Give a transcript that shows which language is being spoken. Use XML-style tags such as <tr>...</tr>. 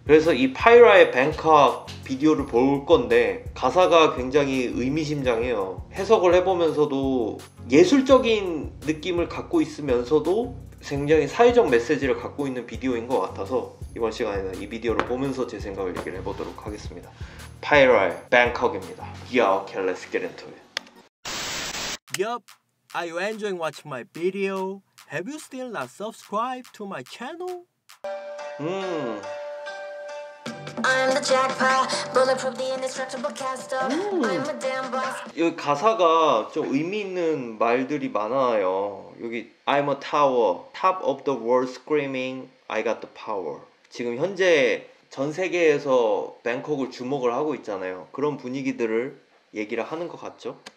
<ko>그래서 이 파이라의 뱅컥 비디오를 볼 건데 가사가 굉장히 의미심장해요. 해석을 해보면서도 예술적인 느낌을 갖고 있으면서도 굉장히 사회적 메시지를 갖고 있는 비디오인 것 같아서 이번 시간에는 이 비디오를 보면서 제 생각을 얘기를 해보도록 하겠습니다. 파이라의 뱅컥입니다.</ko> <en>Yeah, okay, let's get into it. Yup. Are you enjoying watching my video? Have you still not subscribed to my channel? I'm the jackpot, bulletproof, the indestructible caster. I'm a damn boss.</en> <ko>여기 가사가 좀 의미 있는 말들이 많아요. 여기</ko> <en>I'm a tower, top of the world screaming, I got the power.</en> <ko>지금 현재 전 세계에서 뱅콕을 주목을 하고 있잖아요. 그런 분위기들을 얘기를 하는 것 같죠?</ko>